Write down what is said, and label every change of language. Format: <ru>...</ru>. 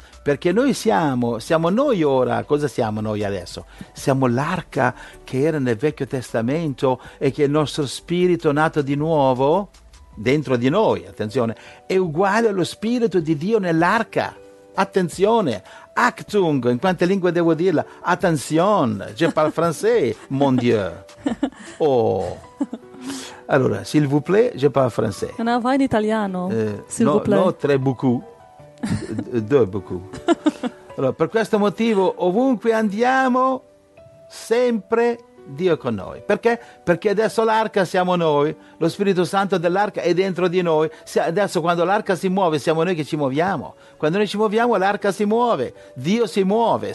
<it>Perché noi siamo noi ora, cosa siamo noi adesso? Siamo l'arca che era nel Vecchio Testamento e che il nostro spirito nato di nuovo dentro di noi, attenzione, è uguale allo spirito di Dio nell'arca. Attenzione, Achtung, in quante lingue devo dirla?</it> <fr>Attention, je parle français, mon Dieu. Oh, allora, s'il vous plaît, je parle français.</fr> <it>No, vai in italiano, s'il no,</it> <fr>vous plaît. No, très beaucoup, deux beaucoup.</fr> <it>Allora, per questo motivo, ovunque andiamo, sempre Dio con noi. Perché? Perché adesso l'arca siamo noi, lo Spirito Santo dell'arca è dentro di noi. Adesso quando l'arca si muove, siamo noi che ci muoviamo. Quando noi ci muoviamo, l'arca si muove, Dio si muove.</it>